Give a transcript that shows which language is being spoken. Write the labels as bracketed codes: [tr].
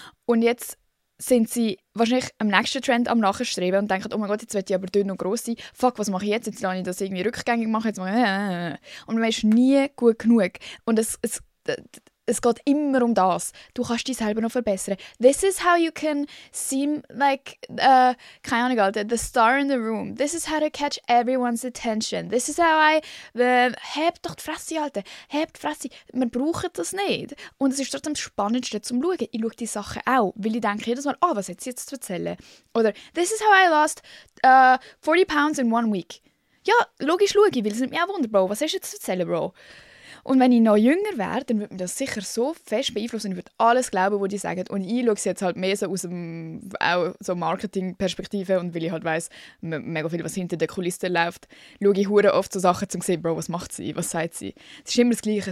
[de] Und jetzt sind sie wahrscheinlich am nächsten Trend am Nachstreben und denken, oh mein Gott, jetzt will ich aber dünn und gross sein. Fuck, was mache ich jetzt? Jetzt lasse ich das irgendwie rückgängig machen. Jetzt mache ich... Und man ist nie gut genug. Und es geht immer um das. Du kannst dich selber noch verbessern. [en] This is how you can seem like, [de] keine Ahnung, [en] the star in the room. This is how to catch everyone's attention. This is how I, [de] hebt doch die Fresse, Alter. Hebt die Fresse. Wir brauchen das nicht. Und es ist trotzdem das Spannendste zum Schauen. Ich schaue die Sachen auch, weil ich denke jedes Mal, oh, was hat sie jetzt zu erzählen? [en] Oder, this is how I lost 40 pounds in one week. [de] Ja, logisch schaue ich, weil es nimmt mich auch Wunder, Bro. Was hast du jetzt zu erzählen, Bro? Und wenn ich noch jünger wäre, dann würde mich das sicher so fest beeinflussen. Ich würde alles glauben, was die sagen. Und ich schaue es jetzt halt mehr so aus einer so Marketing-Perspektive. Und weil ich halt weiss, mega viel, was hinter der Kulisse läuft, schaue ich hure oft so Sachen, um zu sehen, Bro, was macht sie, was sagt sie. Es ist immer das Gleiche.